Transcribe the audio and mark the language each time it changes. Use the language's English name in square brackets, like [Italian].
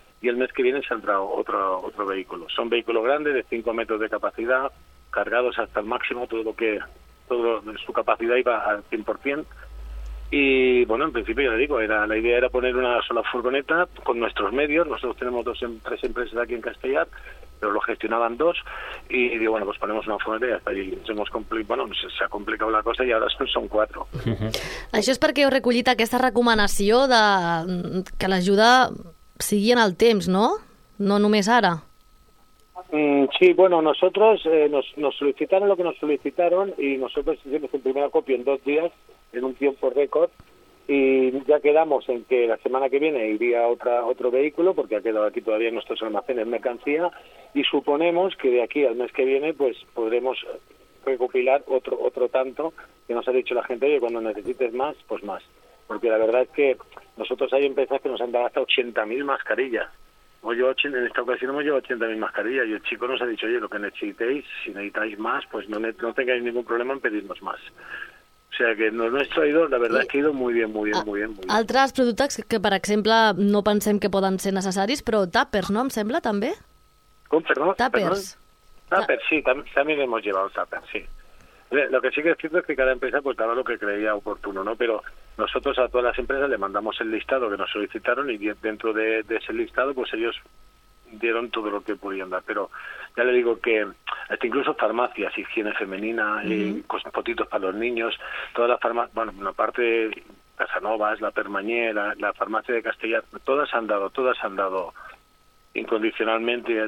[Spanish] Y el mes que viene saldrá otro vehículo. Son vehículos grandes, de 5 metros de capacidad, cargados hasta el máximo, todo su capacidad iba al 100%. Y, bueno, en principio, ya le digo, la idea era poner una sola furgoneta con nuestros medios. Nosotros tenemos tres empresas aquí en Castellar, pero lo gestionaban dos, y digo, bueno, pues ponemos una furgoneta y hasta allí. Se ha complicado la cosa y ahora son cuatro. [Catalan] Això és perquè heu recollit aquesta recomanació de que l'ajuda sigui en el temps, no? No només ara. [Spanish] Sí, bueno, nosotros nos solicitaron lo que nos solicitaron y nosotros hicimos un primer acopio en dos días, en un tiempo récord, y ya quedamos en que la semana que viene iría otro vehículo, porque ha quedado aquí todavía en nuestros almacenes mercancía, y suponemos que de aquí al mes que viene pues podremos recopilar otro tanto, que nos ha dicho la gente, oye, cuando necesites más, pues más. Porque la verdad es que nosotros hay empresas que nos han dado hasta 80.000 mascarillas. En esta ocasión hemos llevado 80.000 mascarillas, y el chico nos ha dicho, oye, lo que necesitéis, si necesitáis más, pues no tengáis ningún problema en pedirnos más. O sea que no es traidor, la verdad es que ha ido muy bien, muy bien, muy bien. [Catalan] Altres productes que, per exemple, no pensem que poden ser necessaris, però tàpers, no, em sembla, també? Com, perdó? Tàpers. [Spanish] Tàpers, sí, també hemos llevado tàpers, sí. Lo que sí que es cierto es que cada empresa pues daba lo que creía oportuno, ¿no? Pero nosotros a todas las empresas le mandamos el listado que nos solicitaron y dentro de ese listado pues ellos dieron todo lo que podían dar. Pero ya le digo que incluso farmacias, higiene femenina, uh-huh, y potitos para los niños, todas las farmacias, bueno, una parte de Casanovas, la Permañé, la farmacia de Castellar, todas han dado incondicionalmente.